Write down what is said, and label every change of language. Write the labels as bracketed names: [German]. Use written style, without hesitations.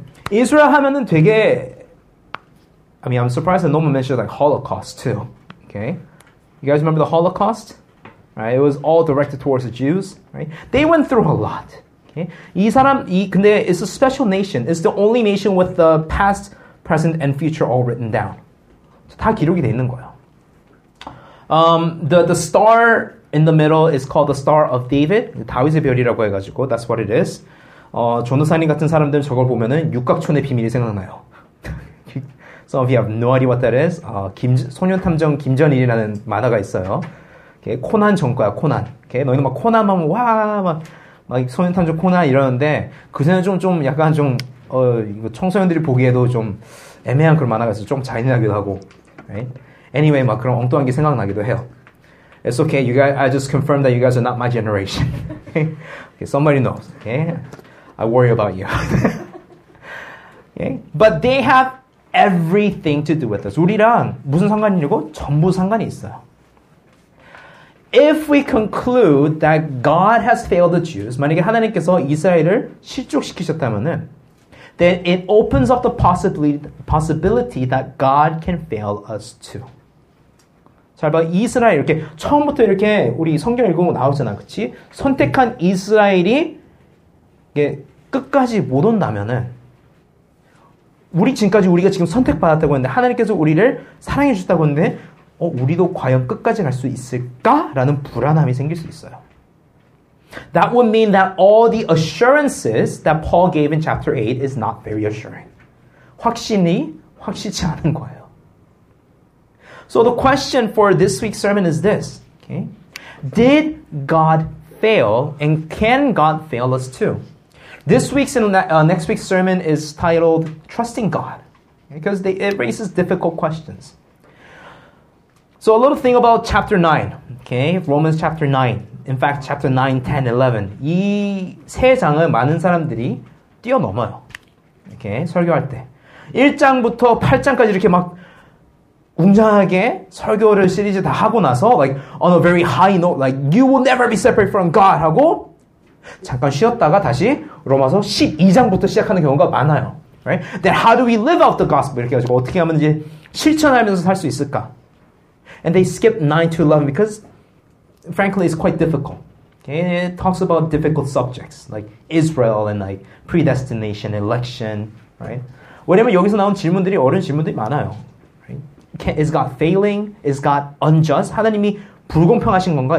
[English] Israel [Korean] 하면은 되게, [English] I mean, I'm surprised that no one mentioned like Holocaust too, okay? You guys remember the Holocaust? Right? It was all directed towards the Jews, right? They went through a lot, okay? [Korean] 이 사람, 이, 근데 [English] it's a special nation. It's the only nation with the past, present, and future all written down. [Korean] So 다 기록이 돼 있는 거예요. [English] The star in the middle is called the Star of David. [Korean] 다윗의 별이라고 해가지고, [English] that's what it is. [Korean] 전도사님 같은 사람들 저걸 보면은 육각촌의 비밀이 생각나요. [English] Some of you have no idea what that is. [Korean] 소년탐정 김전일이라는 만화가 있어요. Okay, 코난 전 거야, 코난. Okay, 너희는 막 코난 하면 와, 막 소년탐정 코난 이러는데 그새는 좀 약간 좀 이거 청소년들이 보기에도 좀 애매한 그런 만화가 있어요. 좀 잔인하기도 하고. Right? Anyway, 막 그런 엉뚱한 게 생각나기도 해요. [English] It's okay. You guys, I just confirmed that you guys are not my generation. Okay, somebody knows. Okay, I worry about you. Okay, but they have everything to do with us. [Korean] 우리랑 무슨 상관이냐고? 전부 상관이 있어요. [English] If we conclude that God has failed the Jews, [Korean] 만약에 하나님께서 이스라엘을 실족시키셨다면은, [English] then it opens up the possibility that God can fail us too. [Korean] 잘 봐, 이스라엘 이렇게 처음부터 이렇게 우리 성경 읽으면 나오잖아, 그치? 선택한 이스라엘이 이게 끝까지 못 온다면은 우리 지금까지 우리가 지금 선택받았다고 했는데 하나님께서 우리를 사랑해 주셨다고 했는데 우리도 과연 끝까지 갈 수 있을까라는 불안함이 생길 수 있어요. [English] That would mean that all the assurances that Paul gave in chapter 8 is not very assuring. [Korean] 확신이 확실치 않은 거예요. [English] So the question for this week's sermon is this, okay? Did God fail and can God fail us too? This week's and next week's sermon is titled Trusting God, okay? Because it raises difficult questions. So a little thing about chapter 9, okay? Romans chapter 9. In fact, chapter 9, 10, 11. [Korean] 이 세 장을 많은 사람들이 뛰어넘어요. Okay? 설교할 때. 1장부터 8장까지 이렇게 막 웅장하게 설교를 시리즈 다 하고 나서 [English] like on a very high note like you will never be separate from God [Korean] 하고 잠깐 쉬었다가 다시 로마서 12장부터 시작하는 경우가 많아요. Right? [English] Then how do we live out the gospel? [Korean] 이렇게 가지고 어떻게 하면 이제 실천하면서 살 수 있을까? [English] And they skip 9 to 11 because frankly it's quite difficult. Okay? And it talks about difficult subjects like Israel and like predestination, election, right? [Korean] 왜냐면 여기서 나온 질문들이 어려운 질문들이 많아요. [English] Is God failing? Is God unjust? [Korean] 하나님이 불공평하신 건가?